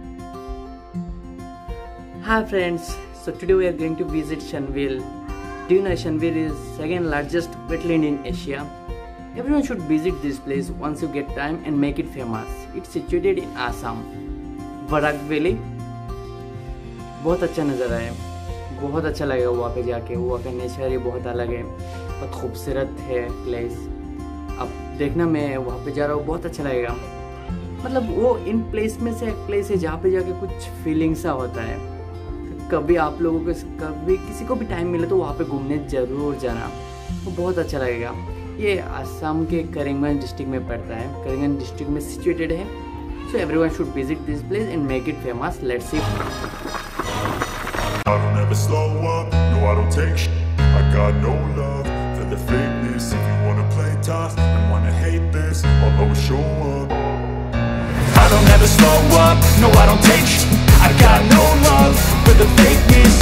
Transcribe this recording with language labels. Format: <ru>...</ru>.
<en>Hi friends, so today we are going to visit Beel. Do you know Beel is second largest wetland in Asia? Everyone should visit this place once you get time and make it famous. It's situated in Assam. Barak Valley.</en> <hi>बहुत अच्छा नज़र आया, बहुत अच्छा लगा वहाँ पे जाके। वहाँ का नेचर ही बहुत अलग है, बहुत खूबसूरत है प्लेस। अब देखना मैं वहाँ पे जा रहा हूँ, बहुत अच्छा लगेगा। मतलब वो इन प्लेस में से एक प्लेस है जहाँ पे जाके कुछ फीलिंग सा होता है। कभी आप लोगों को कभी किसी को भी टाइम मिले तो वहाँ पे घूमने ज़रूर जाना, वो बहुत अच्छा लगेगा। ये असम के करीमगंज डिस्ट्रिक्ट में पड़ता है, करीमगंज डिस्ट्रिक्ट में सिचुएटेड है।</hi> <en>So everyone should visit this place and make it famous. Let's see. I don't ever slow up, no I don't take I got no love for the fakeness. If you wanna play tough and wanna hate this, I'll always show up. I don't ever slow up, no I don't take I got no love for the fakeness.</en>